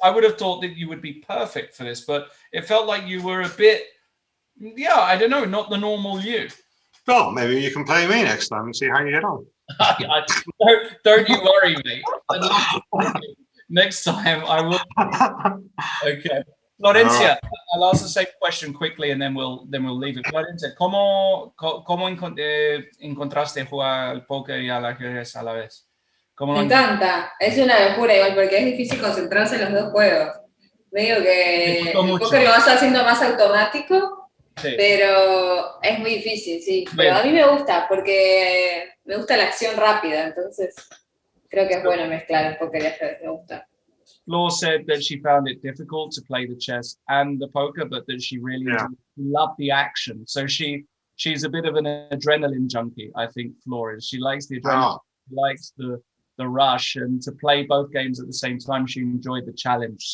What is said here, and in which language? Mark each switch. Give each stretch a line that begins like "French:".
English: I would have thought that you would be perfect for this, but it felt like you were a bit, I don't know, not the normal you. Well, maybe you can play me next time and see how you get on. don't you worry, mate. Next time I will. Okay. Florencia, right. I'll ask the same question quickly and then we'll leave it.
Spanish: Florencia, ¿cómo encontraste jugar al póker y al ajedrez a la vez? Me encanta. Es una locura igual porque es difícil concentrarse en los dos juegos. Me digo que el póker lo vas haciendo más automático, pero es muy difícil, sí. Pero a mí me gusta porque me gusta la acción rápida, entonces creo que es bueno mezclar el póker y ajedrez, me gusta.
English: Flor said that she found it difficult to play the chess and the poker, but that she really loved the action. So she's a bit of an adrenaline junkie, I think Flor is. She likes the adrenaline, she likes the rush, and to play both games at the same time, she enjoyed the challenge.